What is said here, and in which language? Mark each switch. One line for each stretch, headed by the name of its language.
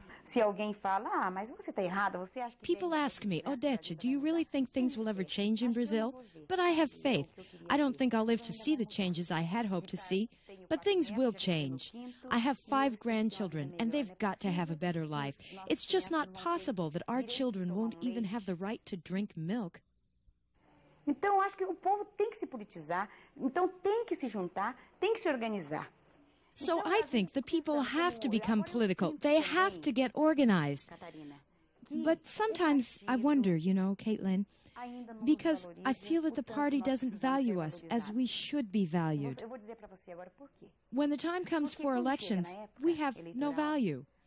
English: People ask me, Odete, do you really think things will ever change in Brazil? But I have faith. I don't think I'll live to see the changes I had hoped to see, but things will change. I have 5 grandchildren, and they've got to have a better life. It's just not possible that our children won't even have the right to drink milk.
Portuguese: Então, acho que o povo tem que se politizar, então tem que se juntar, tem que se organizar.
English: So I think the people have to become political. They have to get organized. But sometimes I wonder, you know, Caitlin, because I feel that the party doesn't value us as we should be valued. When the time comes for elections, we have no value.